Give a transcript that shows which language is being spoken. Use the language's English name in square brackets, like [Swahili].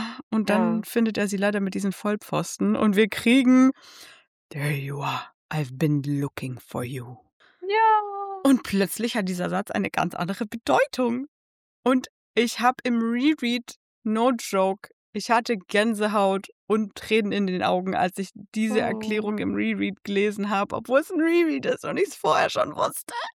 [German] Und dann findet er sie leider mit diesen Vollpfosten. Und wir kriegen, [English] there you are, I've been looking for you. [German] Ja. Und plötzlich hat dieser Satz eine ganz andere Bedeutung. Und ich habe im Reread, [English] no joke, [German] ich hatte Gänsehaut und Tränen in den Augen, als ich diese Erklärung im Reread gelesen habe, obwohl es ein Reread ist und ich es vorher schon wusste.